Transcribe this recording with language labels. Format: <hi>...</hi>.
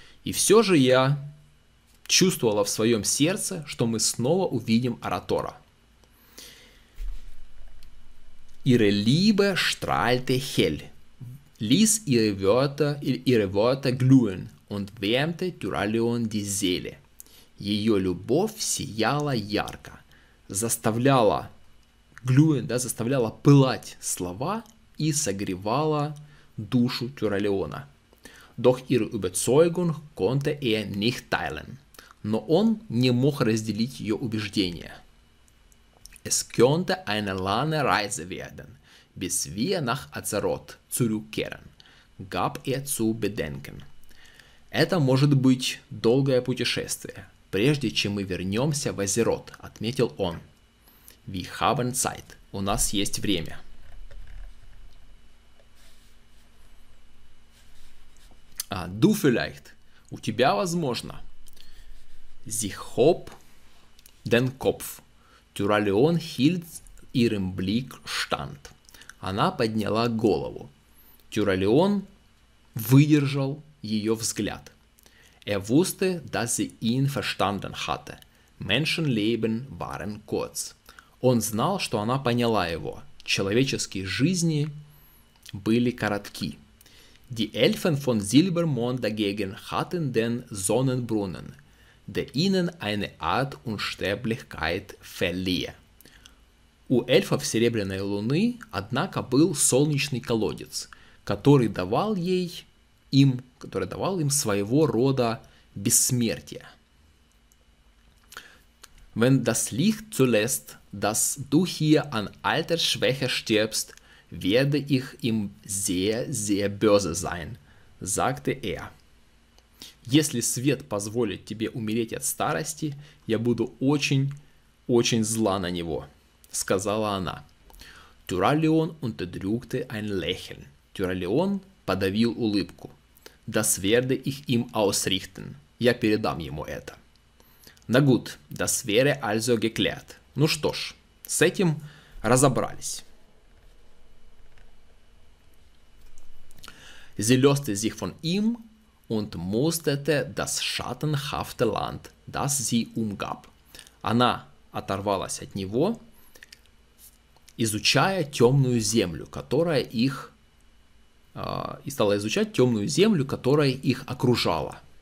<ru>И все же я чувствовала в своем сердце, что мы снова увидим Аратора.</ru> <de>Ihre Liebe strahlte hell, ließ ihre Worte glühen und wärmte Tyrallion die Seele.</de> <ru>Ее любовь сияла ярко, заставляла glühen, да, заставляла пылать слова и согревала душу Тюралеона.</ru> <de>Doch ihre Überzeugung konnte nicht teilen.</de> <ru>Но он не мог разделить ее убеждения.</ru> <de>Es könnte eine lange Reise werden, bis wir nach Azeroth zurückkehren, gab zu bedenken.</de> <ru>Это может быть долгое путешествие, прежде чем мы вернемся в Азерот, отметил он.</ru> <de>Wir haben Zeit.</de> <ru>У нас есть время.</ru> <de>А, du vielleicht.</de> <ru>У тебя возможно.</ru> <de>Sie hob den Kopf. Tyrallion hielt ihren Blick stand.</de> <ru>Она подняла голову. Tyrallion выдержал ее взгляд.</ru> <de>Wusste, dass sie ihn verstanden hatte. Menschenleben waren kurz.</de> <ru>Он знал, что она поняла его. Человеческие жизни были коротки.</ru> <de>Die Elfen von Silbermond dagegen hatten den Sonnenbrunnen, der ihnen eine Art Unsterblichkeit verlieh.</de> <ru>У эльфов Серебряной Луны, однако, был солнечный колодец, который давал ей, им, который давал им своего рода бессмертие.</ru> <de>Wenn das Licht zulässt, dass du hier an Altersschwäche stirbst, werde ich ihm sehr, sehr böse sein, sagte</de> <ru>Если свет позволит тебе умереть от старости, я буду очень, очень зла на него, сказала она.</ru> <de>Tyrallion unterdrückte ein Lächeln.</de> <ru>Tyrallion подавил улыбку.</ru> <de>Das werde ich ihm ausrichten.</de> <ru>Я передам ему это.</ru> <de>Na gut, das wäre also geklärt.</de> <ru>Ну что ж, с этим разобрались.</ru> <de>Sie löste sich von ihm und musterte das schattenhafte Land, das sie umgab.</de> <ru>Она оторвалась от него, изучая темную землю, которая их и стала изучать темную землю, которая их окружала.</ru>